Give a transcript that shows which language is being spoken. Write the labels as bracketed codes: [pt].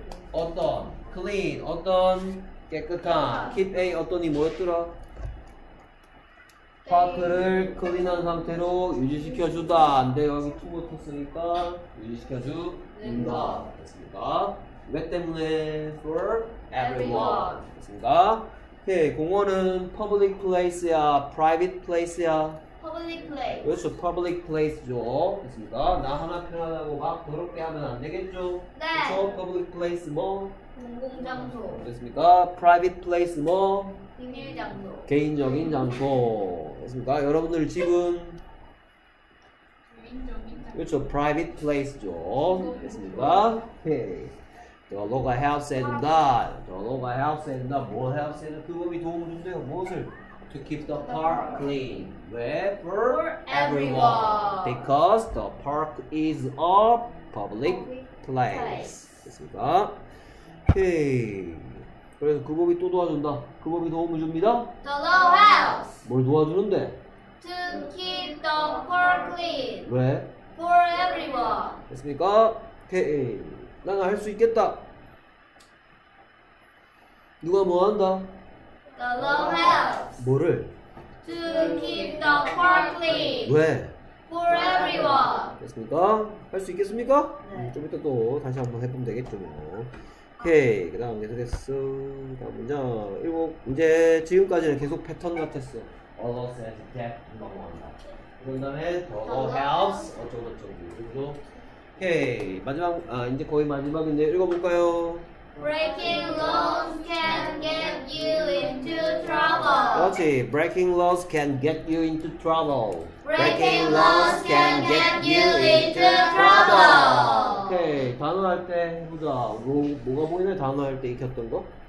[ko] 어떤 clean 어떤 깨끗한 하다. Keep a 어떤이 뭐였더라? 파크를 클린한 상태로 유지시켜주다. 근데 여기 투 붙었으니까 유지시켜준다. 됐습니까? 왜 때문에? [en] For everyone. [ko] 됐습니까? 오케이 okay, 공원은 public place야, private place야? [en] public place [ko] 그렇죠, public place죠 됐습니다 나 하나 편하다고 막 더럽게 하면 안 되겠죠? 네 그렇죠, public place 뭐? 공공장소 됐습니까? private place 뭐? 비밀장소 개인적인 장소 됐습니까? 여러분들 지금 개인적인 장소 그렇죠, private place죠 됐습니까? [en] 오케이 okay. The law helps and not. The law helps and not. What helps and not? [ko] 그 법이 도움을 준대요. 무엇을? [en] To keep the park clean. Where? For everyone. Because the park is a public place. [ko] 됐습니다. 오케이. 그래서 그 법이 또 도와준다. 그 법이 도움을 줍니다. [en] The law helps. [ko] 뭘 도와주는데? [en] To keep the park clean. [ko] 왜? [en] For everyone. [ko] 됐습니까? 오케이. 난 할 수 있겠다. 누가 뭐 한다? [en] The law helps. [ko] 뭐를? [en] To keep the park clean. [ko] 왜? [en] For everyone. [ko] 됐습니까? 할 수 있겠습니까? 네. 좀 이따 또 다시 한번 해보면 되겠죠. 뭐. 오케이. 그 다음 계속했어. 다음 문장. 일곱. 이제 지금까지는 계속 패턴 같았어. [en] All of us have to get [ko] 뭐 한다. 그 다음에 [en] the law helps. [ko] 어쩌고저쩌고. 오케이 okay. 마지막 아 이제 거의 마지막인데 읽어볼까요? [en] Breaking laws can get you into trouble. [ko] 그렇지 [en] Breaking laws can get you into trouble. Breaking laws can get you into trouble. [ko] 오케이 okay. 단어 할 때 해보자. 뭐가 보이네 단어 할 때 익혔던 거?